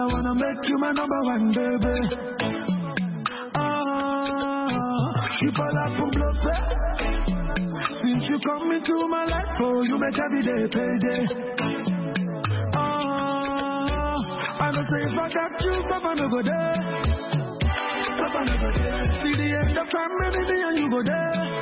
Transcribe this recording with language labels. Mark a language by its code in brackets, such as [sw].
[en] I wanna make you my number one, baby. [fr] Ah, je suis pas là pour bluffer. [en] Since you come into my life, oh, you make every day payday. Ah, I don't say if I got you, Papa, no go there. Papa, no go there. See the end of time, maybe me and you go there.